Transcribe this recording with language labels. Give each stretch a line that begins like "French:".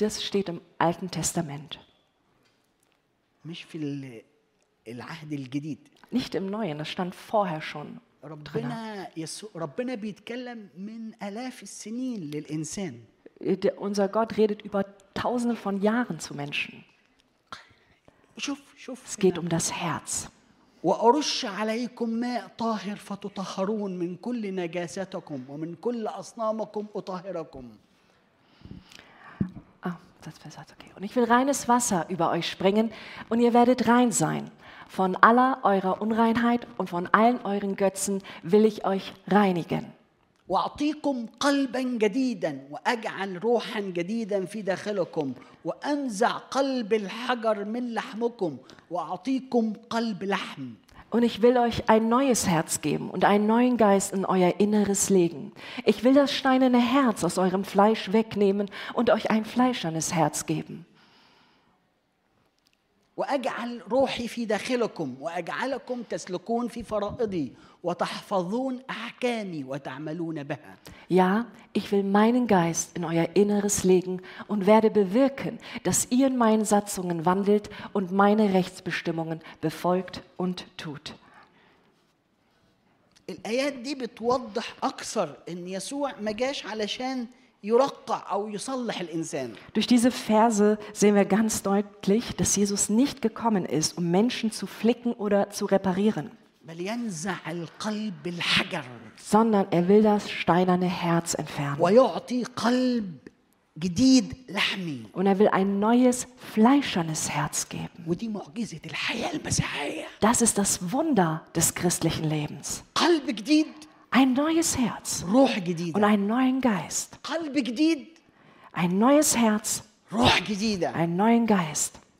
German: Das steht im Alten Testament.
Arabic: مش في العهد الجديد.
German: Nicht im Neuen, das stand vorher schon.
Arabic: ربنا يسوع, ربنا بيتكلم من آلاف السنين للإنسان.
German: Unser Gott redet über Tausende von Jahren zu Menschen. Schuf. Es geht um das Herz.
Arabic: وأرش عليكم ماء طاهر فتطهرون من كل نجاساتكم ومن كل أصنامكم أطهركم.
German: das ist okay. Und ich will reines Wasser über euch springen und ihr werdet rein sein. Von aller eurer Unreinheit und von allen euren Götzen will ich euch reinigen.
Arabic: وأعطيكم قلبا جديدا وأجعل روحا جديدا في داخلكم وأنزع قلب الحجر من لحمكم وأعطيكم قلب لحم.
German: Und ich will euch ein neues Herz geben und einen neuen Geist in euer Inneres legen. Ich will das steinerne Herz aus eurem Fleisch wegnehmen und euch ein fleischernes Herz geben.
Arabic: وأجعل روحي في داخلكم وأجعلكم تسلكون في فرائضي وتحفظون أحكامي وتعملون بها.
German: Ja, ich will meinen Geist in euer Inneres legen und werde bewirken, dass ihr in meinen Satzungen wandelt und meine Rechtsbestimmungen befolgt und tut.
Arabic: الآيات دي بتوضح أكثر إن يسوع ما جاش علشان يرقع أو يصلح الإنسان.
German: Durch diese Verse sehen wir ganz deutlich, dass Jesus nicht gekommen ist, um Menschen zu flicken oder zu reparieren.
Arabic: بل ينزع القلب الحجر.
German: Sondern er will das steinerne Herz entfernen.
Arabic: ويعطي قلب جديد لحمي.
German: Und er will ein neues fleischernes Herz geben.
Arabic: ودي معجزة الحياة المسيحية.
German: Das ist das Wunder des christlichen Lebens.
Arabic: قلب جديد.
German: Ein neues Herz und einen neuen Geist. Ein neues Herz, einen neuen Geist.